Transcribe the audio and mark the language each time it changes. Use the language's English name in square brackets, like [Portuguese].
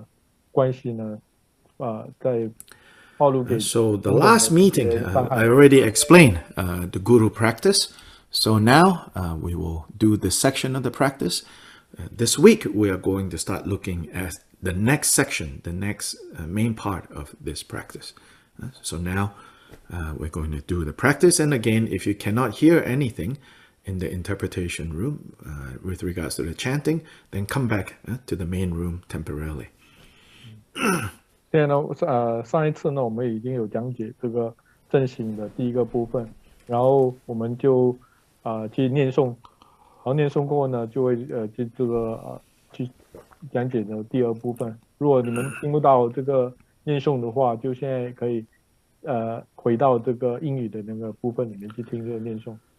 [Chinese] 因为你不暴露这个你跟这个阿纪的这个关系呢，在。 [English] So the last meeting, I already explained the guru practice. So now we will do this section of the practice. This week, we are going to start looking at the next section, the next main part of this practice. So now we're going to do the practice. And again, if you cannot hear anything in the interpretation room with regards to the chanting, then come back to the main room temporarily. [Chinese] 现在呢，上一次呢，我们已经有讲解这个阵型的第一个部分，然后我们就去念诵，然后念诵过后呢，就会去讲解的第二部分。如果你们听不到这个念诵的话，就现在可以回到这个英语的那个部分里面去听这个念诵。